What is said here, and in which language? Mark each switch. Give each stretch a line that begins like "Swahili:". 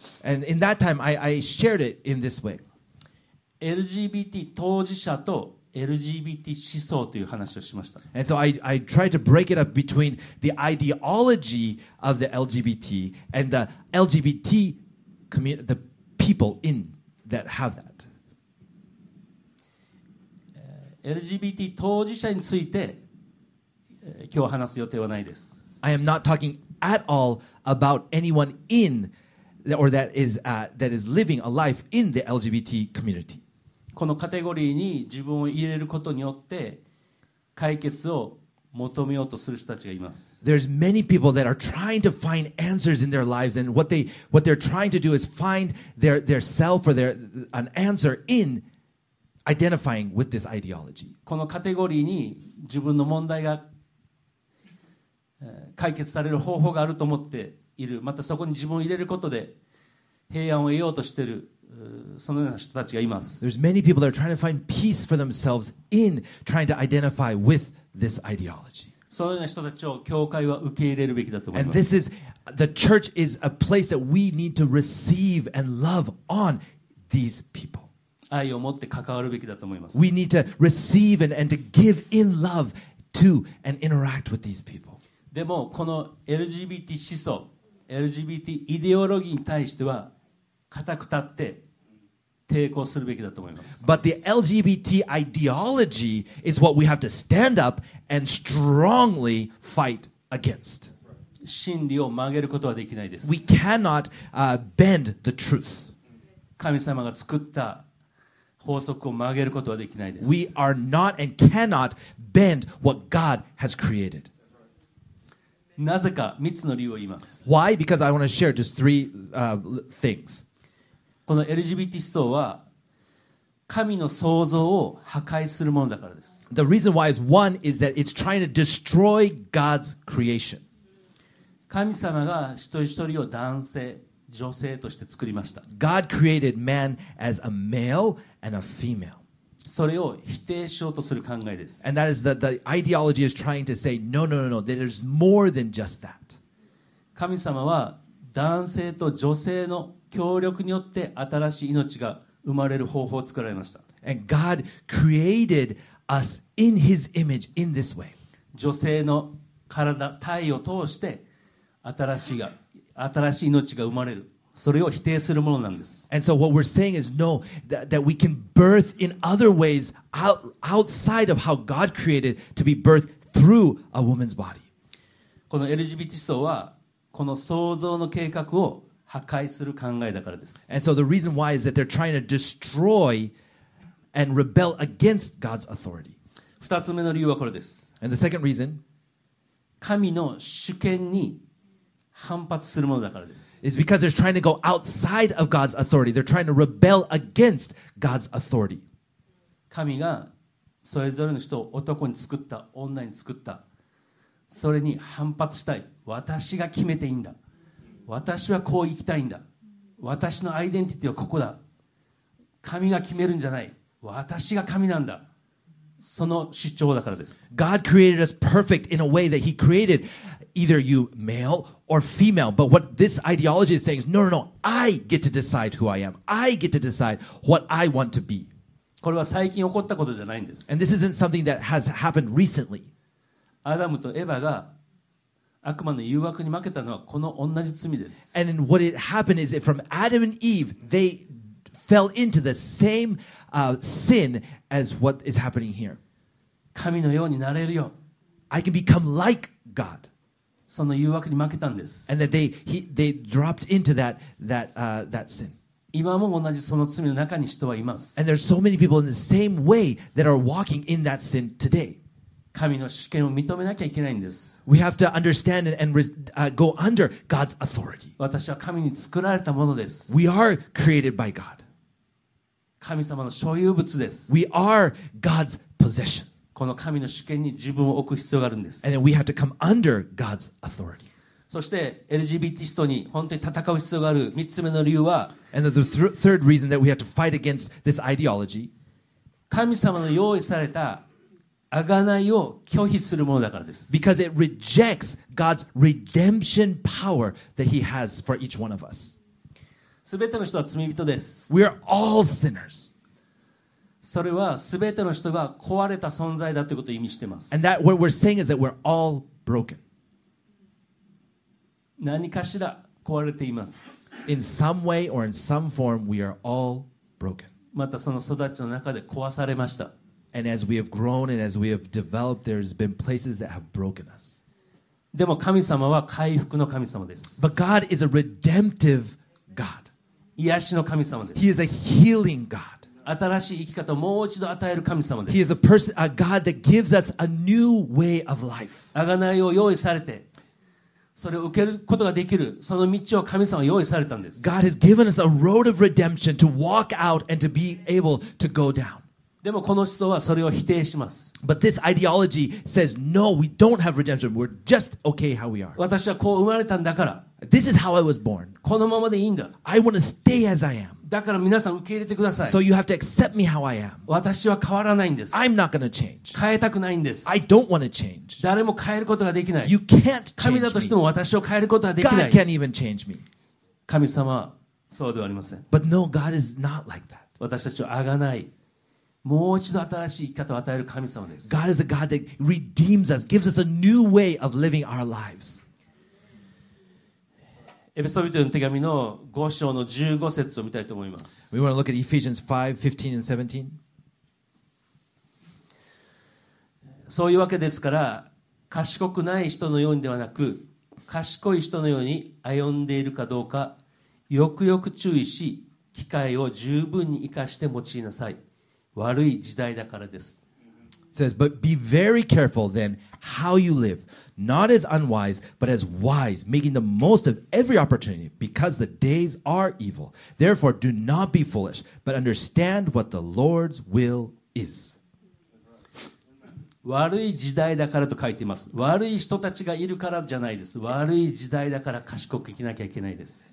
English: And in that time I shared it in this way.
Japanese: LGBT 当事者と LGBT 思想という話をしました。
English: And so I tried to break it up between the ideology of the LGBT and the LGBTthe people in that have that.
Japanese: LGBT 当事者について今日話す予定はないです。
English: I am not talking at all about anyone in or that is living a life in the LGBT community.
Japanese: このカテゴリーに自分を入れることによって解決を求めようとする人たちがいます。
English: There's many people that are trying to find answers in their lives, and what they're trying to do is find their self or an answer in identifying with this ideology.
Japanese: このカテゴリーに自分の問題が解決される方法があると思っている。またそこに自分を入れることで平安を得ようとしている。そのような人たちがいます。
English: There's many people that are trying to find peace for themselves in trying to identify withThis ideology.
Japanese: そういう人たちを教会は受け入れるべきだと思います。
English: And this is the church is a place that we need to receive and love on these people.
Japanese: 愛を持って関わるべきだと思います。
English: We need to receive and to give in love to and interact with these people.
Japanese: でもこの LGBT 思想、LGBT イデオロギーに対しては固く立って抵抗するべきだと思います。
English: But the LGBT ideology is what we have to stand up and strongly fight against.
Japanese: 真理を曲げることはできないです。
English: We cannot bend the truth.
Japanese: 神様が作った法則を曲げることはできないです。
English: We are not and cannot bend what God has created.
Japanese: なぜか3つの理由を言います。
English: Why? Because I want to share just three things.
Japanese: この LGBT 思想は神の創造を破壊するものだからです。
English: The reason why is one is that it's trying to destroy God's creation.
Japanese: 神様が一人一人を男性、女性として作りました。
English: God created man as a male and a female.
Japanese: それを否定しようとする考えです。
English: And that is that the ideology is trying to say, no, no, no, no, there's more than just that.
Japanese: 神様は男性と女性の協力によって新しい命が生まれる方法を作られました。
English: And God created us in His image in this way.
Japanese: 女性の体、体を通して新しい命が生まれる。それを否定するものなんです。
English: And so what we're saying is no, that we can birth in other ways outside of how God created to be birthed through a woman's body.
Japanese: この LGBT 層はこの創造の計画を破壊する考えだからです。
English: And so the reason why is that they're trying to destroy and rebel against God's authority.
Japanese: 二つ目の理由はこれです。
English: And the second reason,
Japanese: 神の主権に反発するものだからです。
English: Is because they're trying to go outside of God's authority. They're trying to rebel against God's authority.
Japanese: 神がそれぞれの人を男に作った、女に作った。それに反発したい。私が決めていいんだ。私はこう生きたいんだ。私のアイデンティティはここだ。神が決めるんじゃない。私が神なんだ。その主張だからです。
English: God created us perfect in a way that He created either you male or female. But what this ideology is saying is, no, no, no, I get to decide who I am. I get to decide what I want to be.
Japanese: これは最近起こったことじゃないんです。
English: And this isn't something that has happened recently.
Japanese: アダムとエヴァが悪魔の誘惑に負けたのはこの同じ罪です。
English: And then what it happened is that from Adam and Eve, they fell into the same sin as what is happening here.
Japanese: 神のようになれるよ。
English: I can become like God.
Japanese: その誘惑に負けたんです。
English: And that they dropped into that sin.
Japanese: 今も同じその罪の中に人はいます。
English: And there's so many people in the same way that are walking in that sin today.
Japanese: 神の主権を認めなきゃいけないんです。
English: We have to understand and go under God's authority.
Japanese: 私は神に作られたものです。
English: We are created by God.
Japanese: 神様の所有物です。
English: We are God's possession.
Japanese: この神の主権に自分を置く必要があるんです。
English: And then we have to come under God's authority.
Japanese: そして LGBT 人に本当に戦う必要がある三つ目の理由は、
English: And the third reason that we have to fight against this ideology,
Japanese: 神様の用意された贖いを拒否するものだからです。
English: Because it rejects God's redemption power that He has for each one of us.
Japanese: 全ての人は罪人です。
English: We are all sinners.
Japanese: それは全ての人が壊れた存在だということを意味しています
English: And that what we're saying is that we're all broken.
Japanese: 何かしら壊れています。
English: In some way or in some form, we are all broken.
Japanese: またその育ちの中で壊されました。
English: And as we have grown and as we have developed, there's been places that have broken us.
Japanese: でも神様は回復の神様です。
English: But God is a redemptive God.
Japanese: 癒しの神様です。
English: He is a healing God.
Japanese: 新しい生き方をもう一度与える神様です。
English: He is a God that gives us a new way of life.
Japanese: 贖いを用意されて、それを受けることができる、その道を神様は用意されたんです。
English: God has given us a road of redemption to walk out and to be able to go down.
Japanese: でもこの思想はそれを否定します。
English: But this ideology says, no, we don't have redemption. We're just okay how we are.
Japanese: 私はこう生まれたんだから。
English: This is how I was born.
Japanese: このままでいいんだ。
English: I want to stay as I am.
Japanese: だから皆さん受け入れてください。
English: So you have to accept me how I am.
Japanese: 私は変わらないんです。
English: I'm not gonna change.
Japanese: 変えたくないんです。
English: I don't wanna change.
Japanese: 誰も変えることができない。
English: You can't change me.
Japanese: 神だとしても私を変えることはできない。
English: God can't even change me.
Japanese: 神様はそうではありません。
English: But no, God is not like that.
Japanese: 私たちを贖い、もう一度新しい生き方を与える神様です。
English: God is a God that redeems us, gives us a new way of living our lives.
Japanese: エペソ人への手紙の5章の15節を見たいと思います。
English: We want to look at Ephesians 5, 15 and 17.
Japanese: そういうわけですから、賢くない人のようにではなく、賢い人のように歩んでいるかどうかよくよく注意し、機会を十分に生かして用いなさい。悪い時代だからです。
English: It says, but be very careful then how you liveNot as unwise, but as wise, making the most of every opportunity, because the days are evil. Therefore, do not be foolish, but understand what the Lord's will is.
Japanese: 悪い時代だからと書いています。悪い人たちがいるからじゃないです。悪い時代だから賢く生きなきゃいけないです。